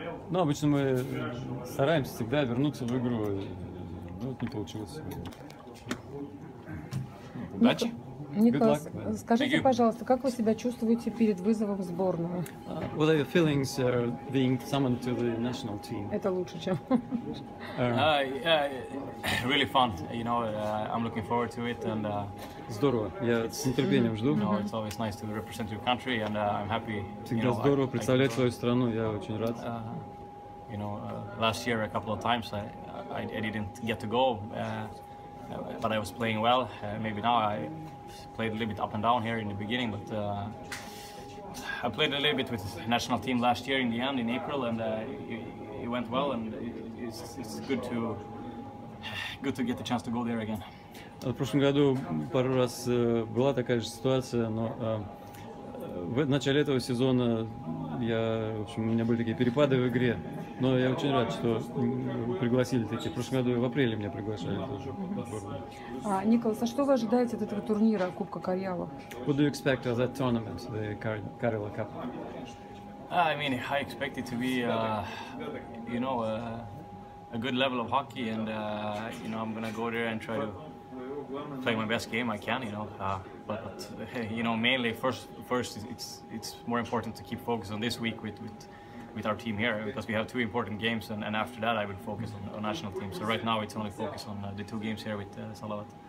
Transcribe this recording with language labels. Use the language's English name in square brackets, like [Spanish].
[Russian] Ну, обычно мы стараемся всегда вернуться в игру, но вот не получилось. Удачи! Никлас, скажите, пожалуйста, как вы себя чувствуете перед вызовом в сборную? [English] What are your feelings being summoned to the national team? [Russian] Это лучше, чем... [English] Really fun, you know, I'm looking forward to it. And, [Russian] здорово, я с нетерпением жду. [English] No, it's always nice to represent your country, and I'm happy. [Russian] Всегда здорово представлять свою страну, я очень рад. [English] You know, last year a couple of times I didn't get to go, but I was playing well. Maybe now I played a little bit up and down here in the beginning, but I played a little bit with the national team last year in the end, in April, and it went well, and it's good to get the chance to go there again. [Russian] В прошлом году пару раз была такая же ситуация, но в начале этого сезона у меня были такие перепады в игре, но я очень рад, что пригласили такие. В прошлом году в апреле меня приглашали тоже. Николас, а что вы ожидаете от этого турнира Кубка Карелла? [English] What do you expect of that tournament, the Karela Cup? I mean, I expect it to be, you know, a good level of hockey, and you know, I'm gonna go there and try to play my best game I can, you know. But you know, mainly first it's more important to keep focus on this week with our team here, because we have two important games, and after that I will focus on national team. So right now it's only focus on the two games here with Салават.